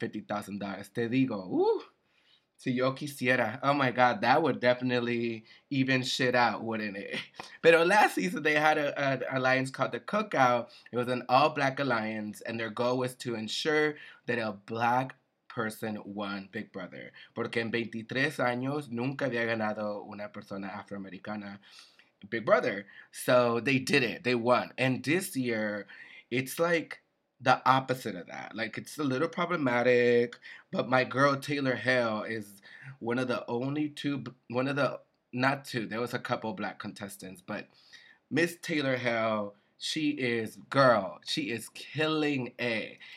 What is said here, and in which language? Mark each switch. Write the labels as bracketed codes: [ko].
[es] Te digo, ooh, si yo quisiera. [en] Oh my God, that would definitely even shit out, wouldn't it? But last season, they had an alliance called the Cookout. It was an all-black alliance, and their goal was to ensure that a black person won Big Brother. [es] Porque en 23 años, nunca había ganado una persona afroamericana Big Brother. [en] So they did it. They won. And this year, it's like the opposite of that. Like, it's a little problematic, but my girl Taylor Hill is one of the only two, one of the, not two, there was a couple black contestants, but Miss Taylor Hill, she is, girl, she is killing it.